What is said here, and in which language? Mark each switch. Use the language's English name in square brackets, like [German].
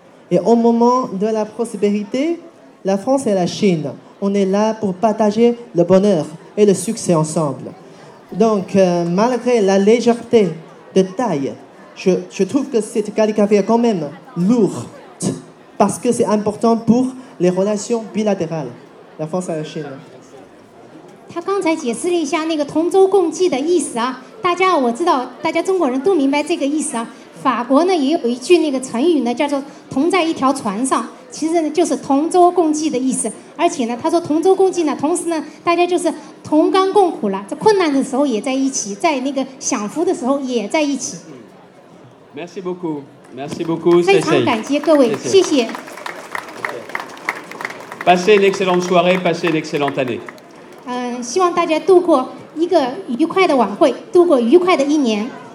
[French] Et au moment de la prospérité, la France et la Chine, on est là pour partager le bonheur et le succès ensemble. Donc, malgré la légèreté de taille, je trouve que cette calligraphie est quand même lourde, parce que c'est important pour les relations bilatérales, la France et la Chine. [Chinese] 他刚才解释了一下那个同舟共济的意思啊，大家我知道大家中国人都明白这个意思啊。法国呢也有一句那个成语呢叫做同在一条船上，其实呢就是同舟共济的意思。而且呢他说同舟共济呢，同时呢大家就是同甘共苦了，在困难的时候也在一起，在那个享福的时候也在一起。 [French] Merci beaucoup. Merci beaucoup. [Chinese] 非常感激各位，谢谢。 [French] Passez une excellente soirée, passez une excellente année. [Chinese] 希望大家度过一个愉快的晚会，度过愉快的一年。